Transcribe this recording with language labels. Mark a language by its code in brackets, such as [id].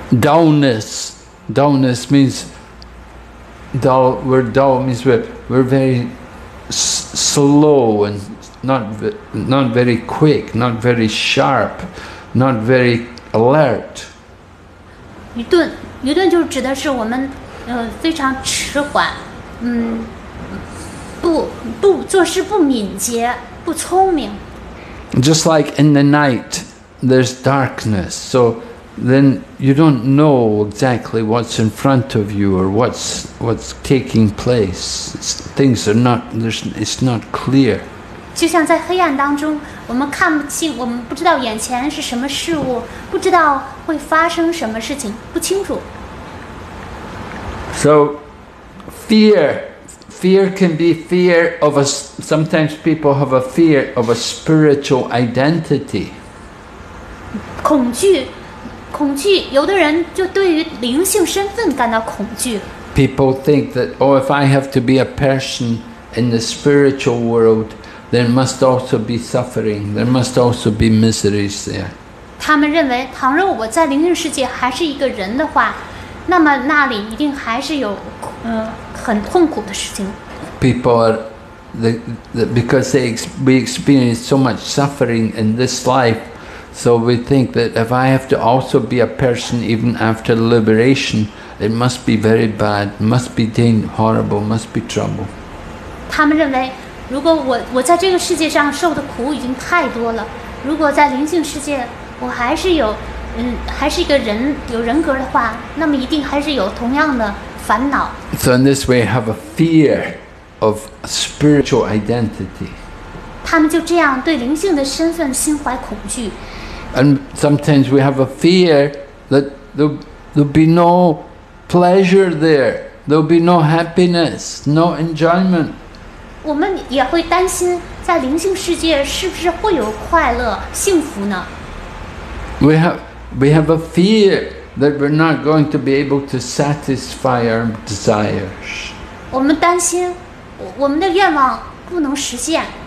[en] Dullness means. Dull, we're dull means we're very slow and not very quick, not very sharp, not very alert. [zh] 愚钝就指的是我们非常迟缓，不做事不敏捷，不聪明。 [en] Just like in the night, there's darkness, so. Then you don't know exactly what's in front of you or what's taking place. It's not clear. [zh] 就像在黑暗当中，我们看不清，我们不知道眼前是什么事物，不知道会发生什么事情，不清楚。 [en] So, fear can be fear of a. Sometimes people have a fear of a spiritual identity. [zh] 恐惧。恐惧，有的人就对于灵性身份感到恐惧。 [en] People think that, oh, if I have to be a person in the spiritual world, there must also be suffering. There must also be miseries there. [zh] 他们认为，倘若我在灵性世界还是一个人的话，那么那里一定还是有很痛苦的事情。 [en] People are because we experience so much suffering in this life. So we think that if I have to also be a person even after liberation, it must be very bad, must be horrible, must be trouble. [zh] 他们认为，如果我在这个世界上受的苦已经太多了，如果在灵性世界我还是有还是一个人有人格的话，那么一定还是有同样的烦恼。 [en] So in this way, have a fear of spiritual identity. [zh] 他们就这样对灵性的身份心怀恐惧。 [en] And sometimes we have a fear that there'll be no pleasure there. There'll be no happiness, no enjoyment. [zh] 我们也会担心在灵性世界是不是会有快乐、幸福呢? [en] We have a fear that we're not going to be able to satisfy our desires. [zh] 我们担心我们的愿望不能实现。